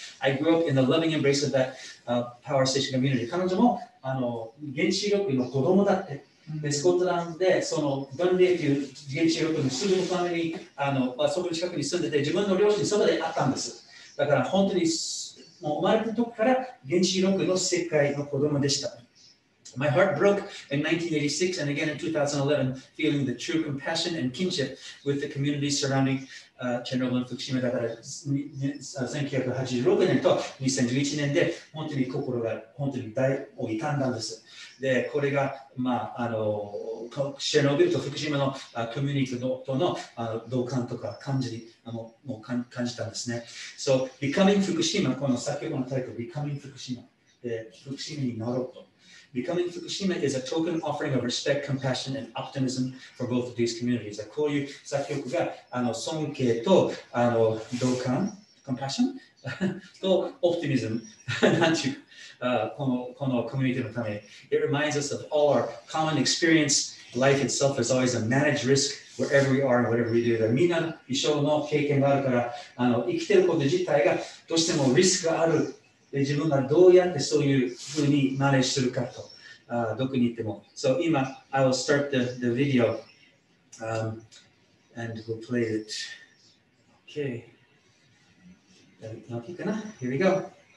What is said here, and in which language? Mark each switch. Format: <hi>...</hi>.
<en>I grew up in the loving embrace of that、power station community.</en> <ja>彼女もあの原子力の子供だって、でスコットランドでそのダンレイという原子力のすぐのファミリーあの、まあ、そこの近くに住んでて自分の両親そばで会ったんです。だから本当にもう生まれた時から原子力の世界の子供でした。</ja> <en>My heart broke in 1986 and again in 2011, feeling the true compassion and kinship with the community surrounding Chernobyl and Fukushima.</en> <ja>だから1986年と2011年で本当に心が本当に大を痛んだんです。で、これが、まあ、あのチェルノブイリと福島のコミュニティとの同感とか感じにあのもう感じたんですね。 So, Becoming Fukushima, この先ほどのタイトル、Becoming Fukushima, で福島になろうと。</ja> <en>Becoming Fukushima is a token offering of respect, compassion, and optimism for both of these communities.</en> <ja>こういう作曲があの尊敬とあの同感、compassion と optimism なんていうこのコミュニティのため。</ja> <en>It reminds us of all our common experience. Life itself is always a managed risk wherever we are and whatever we do.</en> <ja>みんな一生の経験があるからあの生きてること自体がどうしてもリスクがある。で自分がどうやってそういうふうにマネージするかと、どこに行っても。</ja> <en>So, 今、I will start the video、and we'll play it. Okay. OK かな?Here we go.</en>